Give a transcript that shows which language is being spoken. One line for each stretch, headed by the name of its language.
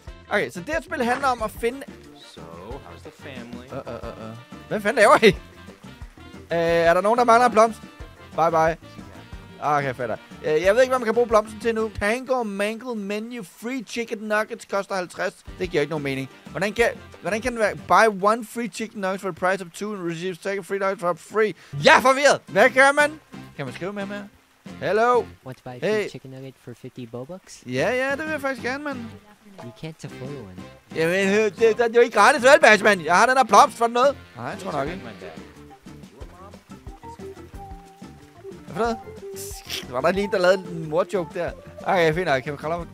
Danish: Okay, så det her spil handler om at finde...
English: So, how's the family?
Danish: Hvad fanden laver I? Er der nogen, der mangler en blomst? Bye bye. Okay, fedt. Jeg ved ikke, hvad man kan bruge blomsten til nu. Tango Mangle Menu Free Chicken Nuggets koster 50. Det giver ikke nogen mening. Hvordan kan det være?
English: Buy one free chicken nuggets for the price of two and receive second free nuggets for free.
Danish: Ja, forvirret! Hvad gør man? Kan man skrive med mig? Hello?
English: Want to buy a free chicken nugget for 50 bobucks?
Danish: Ja, det vil jeg faktisk gerne, man.
English: You can't afford one.
Danish: Jamen, det er jo ikke gratis vel, Bash, man. Jeg har den her blomst for noget. Nej, jeg tror nok ikke. Hvad for noget? Var der lige en, der lavede en mor-joke der? Okay, fint nok. Kan vi kalde op?